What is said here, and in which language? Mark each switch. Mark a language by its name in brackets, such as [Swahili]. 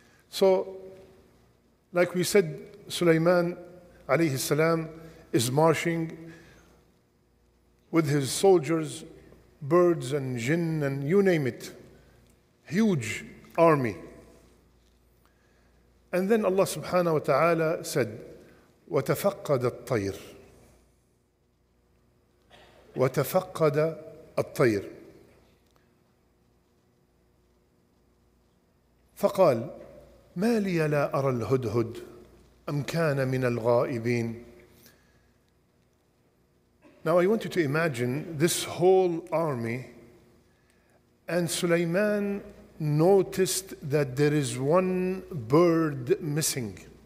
[English] So, like we said, Sulaiman alayhi salam is marching with his soldiers, birds and jinn and you name it, huge army. And then Allah subhanahu wa ta'ala said, [Arabic] وَتَفَقَّدَ الطَّيْرِ وَتَفَقَّدَ الطَّيْرِ فقال, مَا لِيَ لَا أَرَى الْهُدْهُدْ أَمْ كَانَ مِنَ الْغَائِبِينَ. [English] Now I want you to imagine this whole army, and Sulaiman noticed that there is one bird missing.